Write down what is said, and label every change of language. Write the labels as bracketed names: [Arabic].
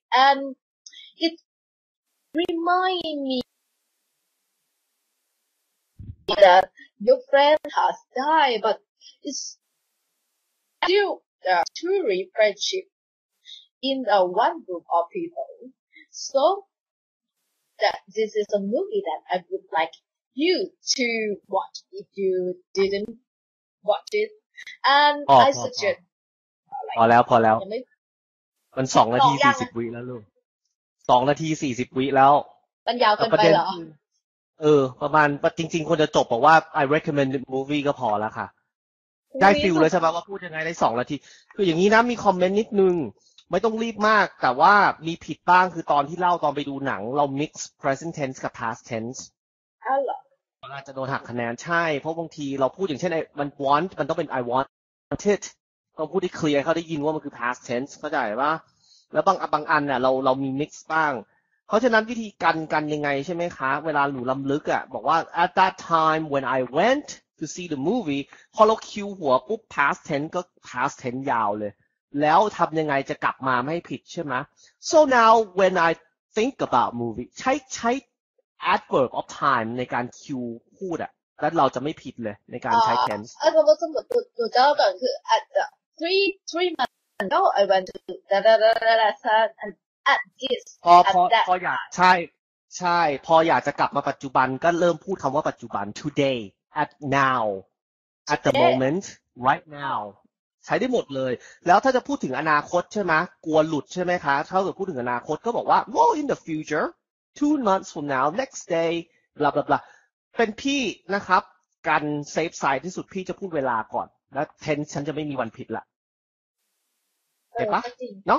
[English] And it remind me that your friend has died, but it's still the true friendship in the one group of people. So,that this is a movie that I would like you to watch if you didn't watch it. And I suggest... [Thai] พอแล้วพอแล้วมัน2นาที40วิแล้วลูก2นาที40วิแล้ว มันยาวเกินไปเหรอ เออประมาณจริงๆควรจะจบบอกว่า [English] I recommend the movie [Thai] ก็พอแล้วค่ะได้ฟิลเลยใช่ไหมว่าพูดยังไงได้2นาทีคืออย่างนี้นะมีคอมเมนต์นิดนึง ไม่ต้องรีบมากแต่ว่ามีผิดบ้างคือตอนที่เล่าตอนไปดูหนังเรา mix present tense กับ past tense อ้าวเหรออ าจจะโดนหักคะแนนใช่เพราะบางทีเราพูดอย่างเช่นมัน want มันต้องเป็น I wanted ก็พูดให้เคลียร์เขาได้ยินว่ามันคือ past tense เข้าใจป่ะ แล้วบางอันน่ะเรามี mix บ้างเพราะฉะนั้นวิธีกันยังไงใช่ไหมคะเวลาหนูล้ำลึกอ่ะบอกว่า [English] at that time when I went to see the movie [Thai] พอเราคิวหัวปุ๊บ past tense ก็ past tense ยาวเลยแล้วทำยังไงจะกลับมาไม่ให้ผิดใช่ไหม [English] so now when I think about movie [Thai] ใช้ adverb of time ในการคิวพูดอ่ะแล้วเราจะไม่ผิดเลยในการใช้ tense แล้วก็สมมติหนูจะก่อนคือ [English] at the three months ago I went to da da da da da and at this [Thai] พออยากใช่พออยากจะกลับมาปัจจุบันก็เริ่มพูดคำว่าปัจจุบัน today at now at the moment right nowใช้ได้หมดเลยแล้วถ้าจะพูดถึงอนาคตใช่ไหมกลัวหลุดใช่ไหมคะถ้าเกิดพูดถึงอนาคตก็บอกว่า [English] well in the future 2 months from now next day bla bla [Thai] bla เป็นพี่นะครับการเซฟไซด์ที่สุดพี่จะพูดเวลาก่อนและเทนฉันจะไม่มีวันผิดละเห็นปะเน